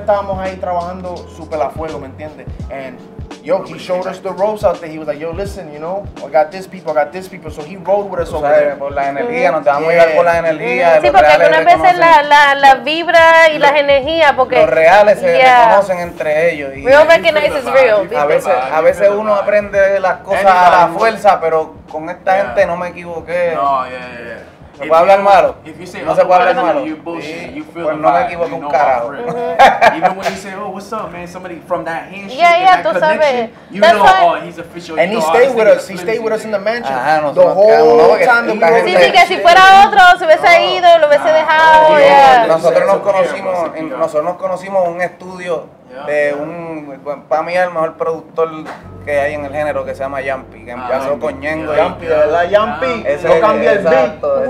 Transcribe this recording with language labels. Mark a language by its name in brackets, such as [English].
[Spanish] estábamos ahí trabajando súper a fuego, ¿me entiendes? [English] Yo, he showed us the ropes out there. He was like, yo, listen, you know, I got these people. So he rode with us over there. [Spanish] Por la energía, nos dejamos ir por la energía. Sí, porque algunas veces la vibra y las energías, porque... Los reales se reconocen entre ellos. [English] Real recognizes real. [Spanish] A veces uno aprende las cosas a la fuerza, pero... con esta gente no me equivoqué. No, yeah. ¿Se puede hablar malo? No se puede hablar malo. Pues no me equivoqué un carajo. [English] Even when you say, oh, what's up, man? Somebody from that handshake, he's official. And he stayed with us in the mansion. Ajá, the whole time. [Spanish] Sí, que si fuera otro, se hubiese ido, lo hubiese dejado. Nosotros nos conocimos en un estudio de un, para mí, el mejor productor que hay en el género, que se llama Yampi, que empezó con Ñengo. Yampi, ¿verdad? Yampi, no cambia el beat.